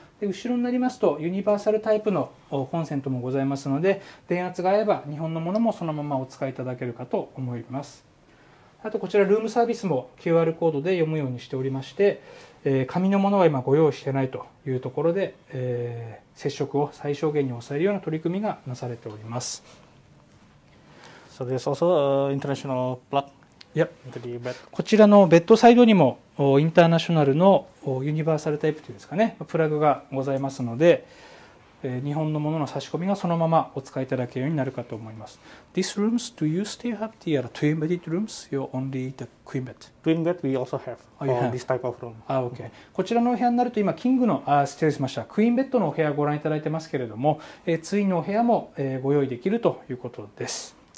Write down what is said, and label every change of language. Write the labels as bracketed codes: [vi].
[ja] で、後ろになりますとユニバーサルタイプのコンセントもございますので、電圧が合えば日本のものもそのままお使いいただけるかと思います。あと、こちらルームサービスも QR コードで読むようにしておりまして、紙のものは今ご用意してないというところで、接触を最小限に抑えるような取り組みがなされております。 [en] So there's also a international plug. Yep. [ja] こちらのベッドサイドにもインターナショナルのユニバーサルタイプというんですかね、プラグがございますので、日本のものの差し込みがそのままお使いいただけるようになるかと思います。 [en] This rooms, do you still have the twin bedded rooms? You're only the queen bed? Twin bed we also have for this type of room. Ah, okay. [ja] こちらのお部屋になると今キングの、失礼しました、クイーンベッドのお部屋をご覧いただいてますけれども、ツインのお部屋も、ご用意できるということです。